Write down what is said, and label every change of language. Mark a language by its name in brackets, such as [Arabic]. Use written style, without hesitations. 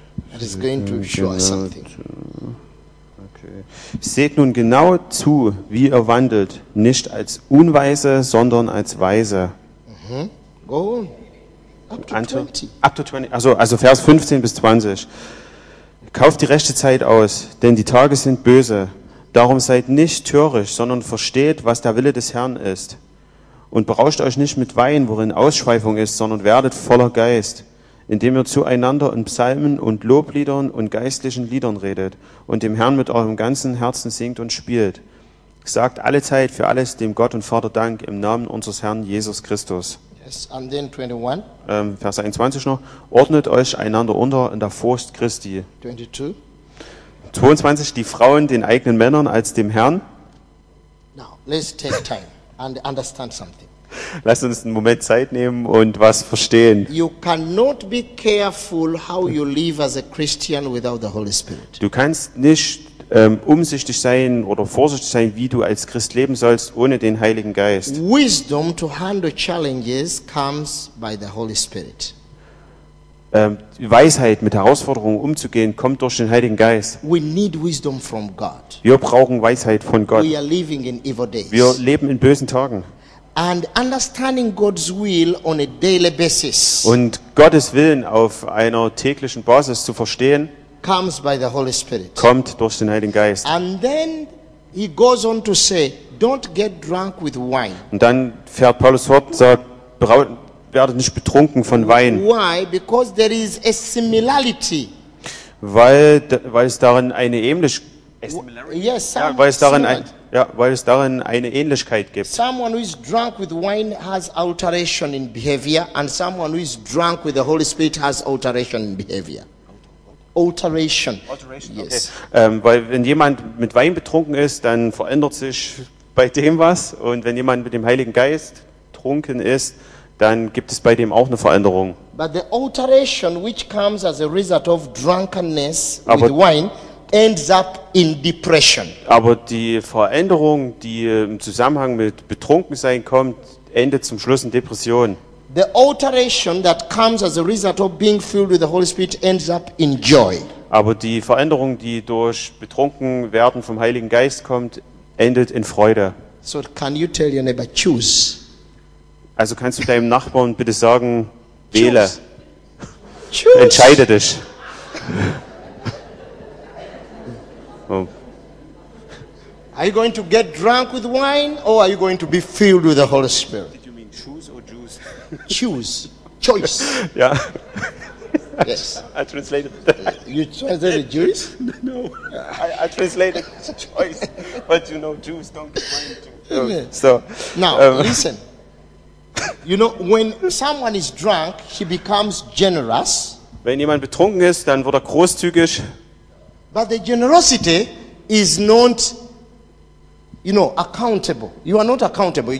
[English] That is going to show us something. [German] Seht nun genau zu, wie ihr wandelt, nicht als Unweise, sondern als Weise. [English] Mm-hmm. Go on. [German] Also Vers 15 bis 20. Kauft die rechte Zeit aus, denn die Tage sind böse. Darum seid nicht töricht, sondern versteht, was der Wille des Herrn ist. Und berauscht euch nicht mit Wein, worin Ausschweifung ist, sondern werdet voller Geist, indem ihr zueinander in Psalmen und Lobliedern und geistlichen Liedern redet und dem Herrn mit eurem ganzen Herzen singt und spielt. Sagt alle Zeit für alles dem Gott und Vater Dank im Namen unseres Herrn Jesus Christus. [English] And then 21. [German] Vers 21 noch. Ordnet euch einander unter in der Furcht Christi. 22. 22. Die Frauen den eigenen Männern als dem Herrn. [English] Now, let's take time and understand something. [German] Lasst uns einen Moment Zeit nehmen und was verstehen. [English] You cannot be careful how you live as a Christian without the Holy Spirit. [German] Du kannst nicht umsichtig sein oder vorsichtig sein, wie du als Christ leben sollst, ohne den Heiligen Geist. [English] Wisdom to handle challenges comes by the Holy Spirit. [German] Weisheit, mit Herausforderungen umzugehen, kommt durch den Heiligen Geist. [English] We need wisdom from God. [German] Wir brauchen Weisheit von Gott. [English] We are living in evil days. [German] Wir leben in bösen Tagen. [English] And understanding God's will on a daily basis. [German] Und Gottes Willen auf einer täglichen Basis zu verstehen. [English] Comes by the Holy Spirit. [German] Kommt durch den Heiligen Geist. [English] And then he goes on to say, don't get drunk with wine. [German] Und dann fährt Paulus fort und sagt, werdet nicht betrunken von Wein. [English] Why? Because there is a similarity. [German] Weil es darin eine Ähnlichkeit gibt. [English] Someone who is drunk with wine has alteration in behavior, and someone who is drunk with the Holy Spirit has alteration in behavior. Alteration. Yes. Okay. [German] Weil wenn jemand mit Wein betrunken ist, dann verändert sich bei dem was, und wenn jemand mit dem Heiligen Geist trunken ist, dann gibt es bei dem auch eine Veränderung. [English] But the alteration which comes as a result of drunkenness with wine ends up in depression. [German] Aber die Veränderung, die im Zusammenhang mit Betrunkensein kommt, endet zum Schluss in Depression. [English] The alteration that comes as a result of being filled with the Holy Spirit ends up in joy. [German] Aber die Veränderung, die durch Betrunkenwerden vom Heiligen Geist kommt, endet in Freude. [English] So can you tell your neighbor, choose? [German] Also kannst du deinem Nachbarn bitte sagen, wähle. Choose. Entscheide dich. [English] Are you going to get drunk with wine or are you going to be filled with the Holy Spirit? Did you mean choose or juice? Choose. Choice. Yeah. Yes. I translated that. You translated juice? No. I translated choice. But you know, juice don't get wine. Okay. So now listen. You know, when someone is drunk, he becomes generous. [German] Wenn jemand betrunken ist, dann wird großzügig. [English] But the generosity is not, you know, accountable. You are not accountable.